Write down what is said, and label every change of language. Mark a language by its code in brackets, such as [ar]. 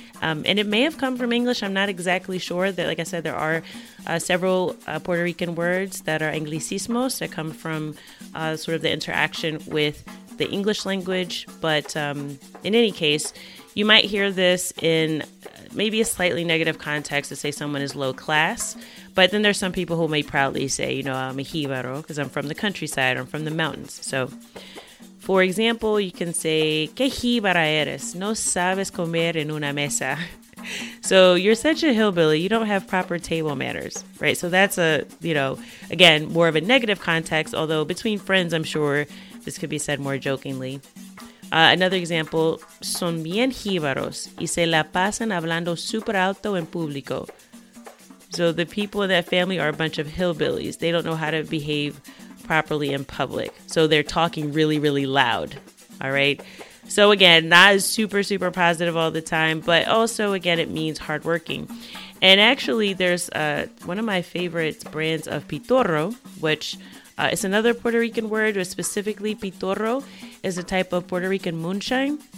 [en] And it may have come from English. I'm not exactly sure. That, like I said, there are several Puerto Rican words that are anglicismos that come from sort of the interaction with the English language. But in any case, you might hear this in maybe a slightly negative context to say someone is low class. But then there's some people who may proudly say, you know, I'm a jíbaro because I'm from the countryside, I'm from the mountains. So, for example, you can say, [es] ¿qué jíbara eres? No sabes comer en una mesa. [en] So you're such a hillbilly, you don't have proper table manners, right? So that's a, you know, again, more of a negative context, although between friends, I'm sure this could be said more jokingly. Another example, [es] son bien jíbaros y se la pasan hablando super alto en público. [en] So the people in that family are a bunch of hillbillies. They don't know how to behave properly in public. So they're talking really, really loud. All right. So again, not super, super positive all the time, but also, again, it means hardworking. And actually, there's one of my favorite brands of pitorro, which is another Puerto Rican word, but specifically pitorro is a type of Puerto Rican moonshine.